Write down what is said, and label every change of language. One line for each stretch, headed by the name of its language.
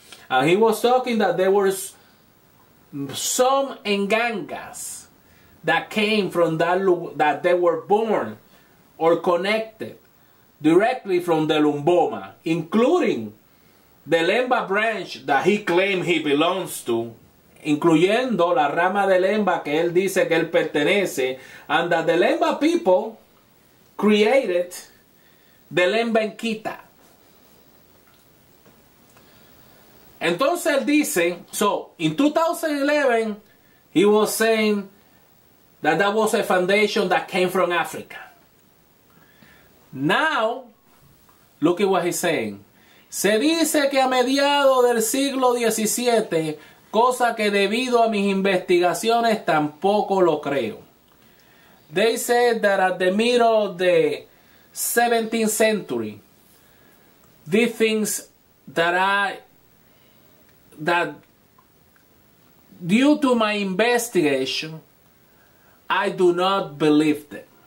English: And he was talking that there were some Ngangas that came from that they were born or connected directly from the Lumbomba, including the Lemba branch that he claimed he belongs to,
Spanish: incluyendo la rama de Lemba que él dice que él pertenece,
English: and that the Lemba people created the Lemba en Quita.
Spanish: Entonces él dice,
English: so, in 2011, he was saying that that was a foundation that came from Africa. Now, look at what he's saying.
Spanish: Se dice que a mediados del siglo XVII, cosa que debido a mis investigaciones tampoco lo creo.
English: They said that at the middle of the 17th century, these things that due to my investigation, I do not believe them.